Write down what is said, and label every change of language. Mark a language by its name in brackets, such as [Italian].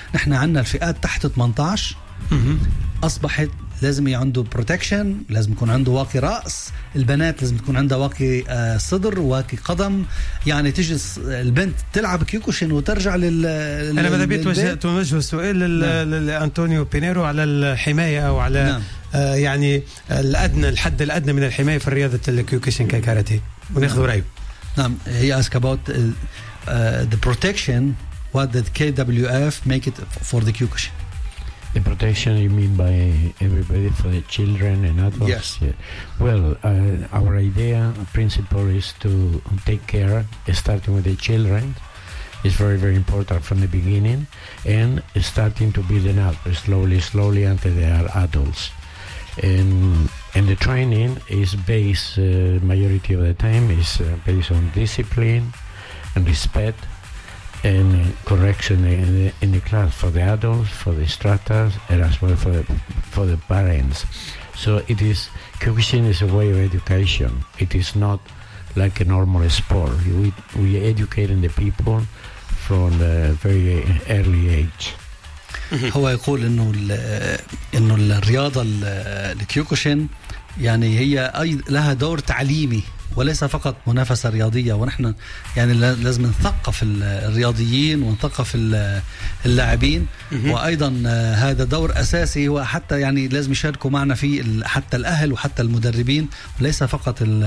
[Arabic] نحن عندنا الفئات تحت 18 اصبحت لازم عنده بروتكشن، لازم يكون عنده واقي رأس، البنات لازم تكون عندها واقي صدر، واقي قدم، يعني تجلس البنت تلعب كيوكوشين وترجع لل. أنا ماذا بتوجه السؤال لأنتونيو بينيرو على الحماية أو على يعني الأدنى، الحد الأدنى من الحماية في رياضة الكيوكوشين كاراتيه، ونأخذ رأيه. نعم، هي [English] ask about the protection what did KWF make it for the Kyokushin. The protection you mean by everybody, for the children and adults? Yes. Yeah. Well, our idea, principle is to take care, starting with the children. It's very, very important from the beginning, and starting to build them up slowly until they are adults. And And the training is based, majority of the time, is based on discipline and respect and correction in the class for the adults, for the instructors, and as well for the parents. So it is, coaching is a way of education. It is not like a normal sport. We are educating the people from a very early age. [Arabic] هو يقول إنه الرياضة الكيوكوشين يعني هي لها دور تعليمي وليس فقط منافسة رياضية ونحن يعني لازم نثقف الرياضيين ونثقف اللاعبين وأيضا هذا دور أساسي وحتى يعني لازم يشاركوا معنا فيه حتى الأهل وحتى المدربين وليس فقط